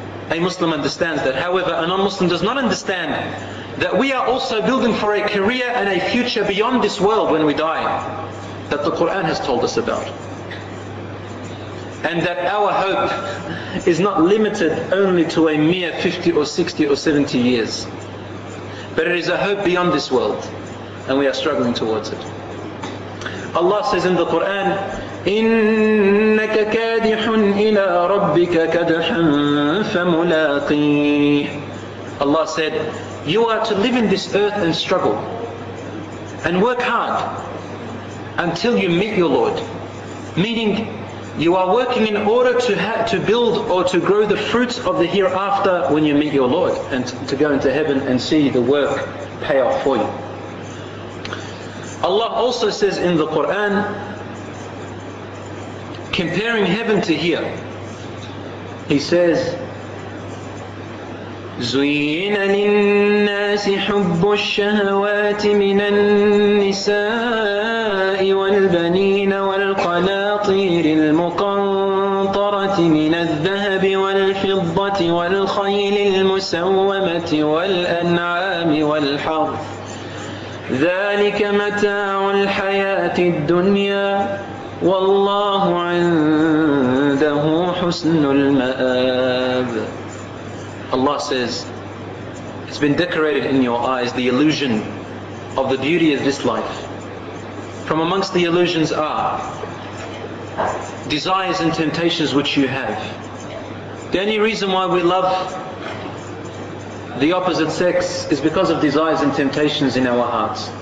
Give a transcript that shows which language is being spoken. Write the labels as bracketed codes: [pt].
[en] A Muslim understands that. However, a non-Muslim does not understand that we are also building for a career and a future beyond this world when we die, that the Quran has told us about. And that our hope is not limited only to a mere 50 or 60 or 70 years, but it is a hope beyond this world, and we are struggling towards it. [ar] Allah says in the Quran, إِنَّكَ كَادِحٌ إِلَىٰ رَبِّكَ كَدْحًا فَمُلَاقِيهِ. [en] Allah said, you are to live in this earth and struggle and work hard until you meet your Lord. Meaning, you are working in order to build or to grow the fruits of the hereafter when you meet your Lord, and to go into heaven and see the work pay off for you. Allah also says in the Quran, comparing heaven to here, He says, [ar] زُيِّنَ لِلنَّاسِ حُبُّ الشَّهَوَاتِ مِنَ النِّسَاءِ وَالْبَنِينَ وَالْقَنَاطِيرِ الْمُقَنطَرَةِ مِنَ الذَّهَبِ وَالْفِضَّةِ وَالْخَيْلِ الْمُسَوَّمَةِ وَالْأَنْعَامِ وَالْحَرْثِ ذَلِكَ مَتَاعُ الْحَيَاةِ الدُّنْيَا وَاللَّهُ عِنْدَهُ حُسْنُ الْمَآبِ. [en] Allah says, it's been decorated in your eyes, the illusion of the beauty of this life. From amongst the illusions are desires and temptations which you have. The only reason why we love the opposite sex is because of desires and temptations in our hearts.